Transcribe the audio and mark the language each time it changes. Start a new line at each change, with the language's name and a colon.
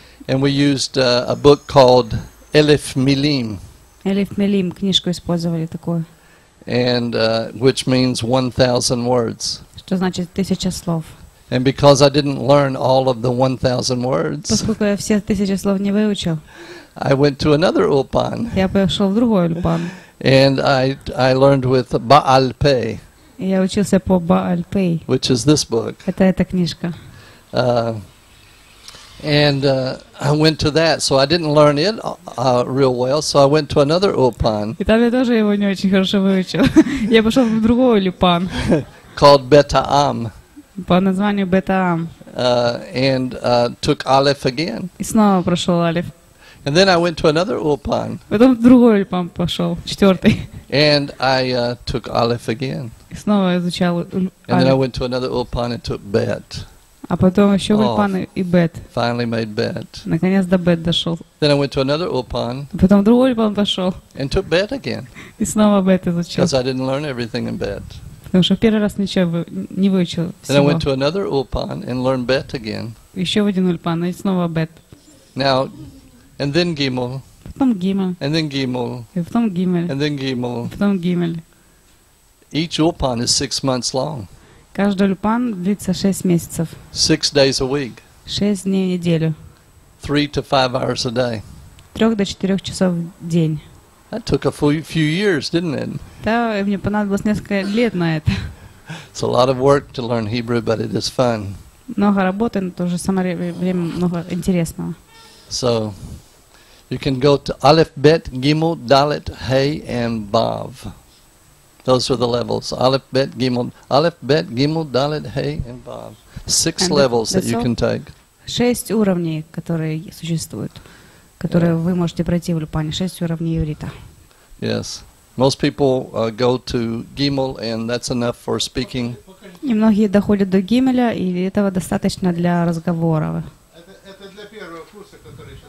English: And we used a book called Elif Milim.
Russian: Elif Milim, книжку использовали такую.
English: And which means 1,000 words.
Russian: Что значит 1,000 слов.
English: And because I didn't learn all of the 1,000 words.
Russian: Поскольку я все 1,000 слов не выучил.
English: I went to another Ulpan.
Russian: Я пошел в другой Ulpan.
English: And I learned with Ba'al Pei.
Russian: Я учился по Ba'al Pei.
English: Which is this book.
Russian: Это эта книжка.
English: And I went to that, so I didn't learn it real well. So I went to another Ulpan.
Russian: И там я тоже его не очень хорошо выучил. Я пошел в другой Ulpan.
English: Called Betaam.
Russian: По названию Betaam.
English: And took Aleph again.
Russian: И снова прошел Aleph.
English: And then I went to another Ulpan.
Russian: Потом в другой Ulpan пошел, четвертый.
English: And I took Aleph again.
Russian: И снова изучал Aleph.
English: And then I went to another Ulpan and took Bet.
Russian: А потом еще Ulpan и Bet.
English: Finally made Bet.
Russian: Наконец до Bet дошел.
English: Then I went to another Ulpan.
Russian: Потом в другой Ulpan пошел.
English: And took Bet again.
Russian: И снова Bet изучил.
English: Because I didn't learn everything in Bet.
Russian: Потому что в первый раз ничего не выучил всего.
English: Then I went to another Ulpan and learned Bet again.
Russian: Еще в один Ulpan и снова Bet.
English: Now, and then Gimel.
Russian: Потом Gimel.
English: And then Gimel.
Russian: И потом Gimel.
English: And then Gimel.
Russian: Потом Gimel.
English: Each Ulpan is 6 months long.
Russian: Каждый Ulpan длится 6 месяцев.
English: 6 days a week.
Russian: 6 дней в неделю.
English: 3 to 5 hours a day.
Russian: 3 to 4 часов в день.
English: That took a few years, didn't it?
Russian: Да, мне понадобилось несколько лет на это.
English: It's a lot of work to learn Hebrew, but it is fun.
Russian: Много работы, но в то же самое время много интересного.
English: So, you can go to Aleph, Bet, Gimel, Dalet, Hey, and Vav. Those are the levels. Aleph, Bet, Gimel, Dalet, Hey, and Vav. 6 and levels that you can take.
Russian: 6 уровней, которые существуют, которые вы можете пройти в Ulpan. 6 уровней иврита.
English: Yes. Most people go to Gimel, and that's enough for speaking.
Russian: Немногие доходят до Гимеля, и этого достаточно для разговоров. Это для первого курса, который еще